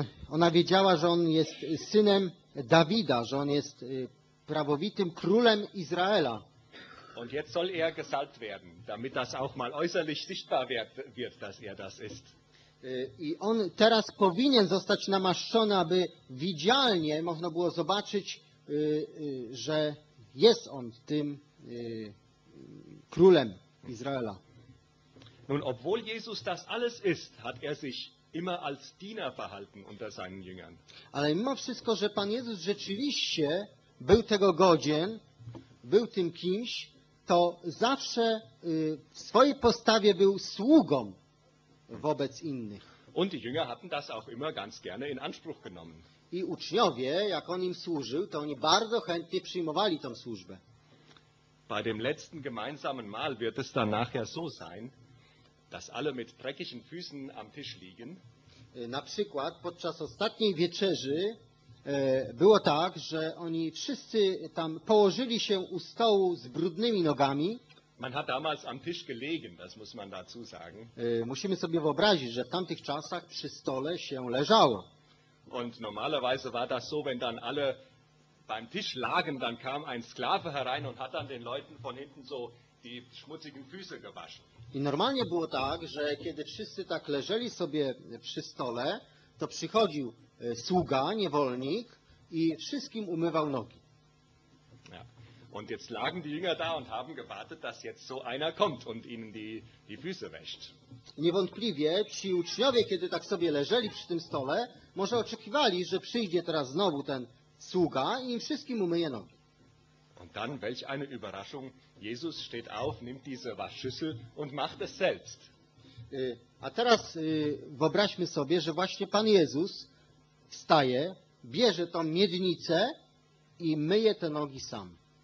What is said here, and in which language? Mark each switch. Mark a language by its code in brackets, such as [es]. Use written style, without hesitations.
[pl] Ona wiedziała, że on jest synem Dawida, że on jest prawowitym królem Izraela. [de] Und jetzt soll er gesalbt werden, damit das auch mal äußerlich sichtbar wird, dass er das ist. [pl] I on teraz powinien zostać namaszczony, aby widzialnie można było zobaczyć, że jest on tym królem Izraela. [de] Nun, obwohl Jesus das alles ist, hat er sich immer als Diener verhalten unter seinen Jüngern. [pl] Ale mimo wszystko, że Pan Jezus rzeczywiście był tego godzien, był tym kimś, to zawsze w swojej postawie był sługą wobec innych. [de] Und die Jünger hatten das auch immer ganz gerne in Anspruch genommen. [pl] I uczniowie, jak on im służył, to oni bardzo chętnie przyjmowali tą służbę. [de] Bei dem letzten gemeinsamen Mahl wird es dann nachher so sein, dass alle mit dreckigen Füßen am Tisch liegen. [pl] Na przykład podczas ostatniej wieczerzy było tak, że oni wszyscy tam położyli się u stołu z brudnymi nogami. [de] Man hat damals am Tisch gelegen, das muss man dazu sagen. [pl] Musimy sobie wyobrazić, że w tamtych czasach przy stole się leżało. [de] Und normalerweise war das so, wenn dann alle beim Tisch lagen, dann kam ein Sklave herein und hat dann den Leuten von hinten so die schmutzigen Füße gewaschen. [pl] I normalnie było tak, że kiedy wszyscy tak leżeli sobie przy stole, to przychodził sługa, niewolnik i wszystkim umywał nogi. [de] Und jetzt lagen die Jünger da und haben gewartet, dass jetzt so einer kommt und ihnen die Füße wäscht. [pl] Niewątpliwie ci uczniowie, kiedy tak sobie leżeli przy tym stole, może oczekiwali, że przyjdzie teraz znowu ten sługa i im wszystkim umyje nogi. [de] Und dann, welch eine Überraschung, Jesus steht auf, nimmt diese Waschschüssel und macht es selbst. [pl] A teraz wyobraźmy sobie, że właśnie Pan Jezus wstaje, bierze tą miednicę i myje te nogi sam.